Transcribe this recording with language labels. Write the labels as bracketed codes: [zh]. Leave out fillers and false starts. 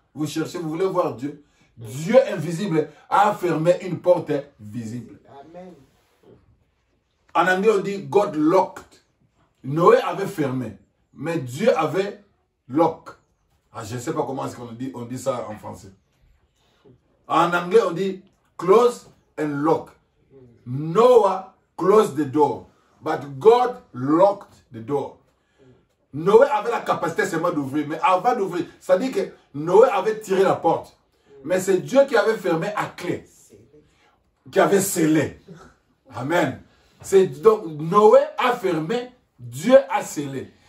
[fr] Vous cherchez, vous voulez voir Dieu? Dieu invisible a fermé une porte visible. Amen. En anglais, on dit « [en] God locked [fr] ». Noé avait fermé, mais Dieu avait « lock ». Je ne sais pas comment est-ce qu'on dit ça en français. En anglais, on dit « [en] close and lock ». Noah closed the door, but God locked the door. [fr] Noé avait la capacité seulement d'ouvrir, mais avant d'ouvrir, ça dit que Noé avait tiré la porte. Mais c'est Dieu qui avait fermé à clé, qui avait scellé. Amen. C'est donc Noé a fermé, Dieu a scellé.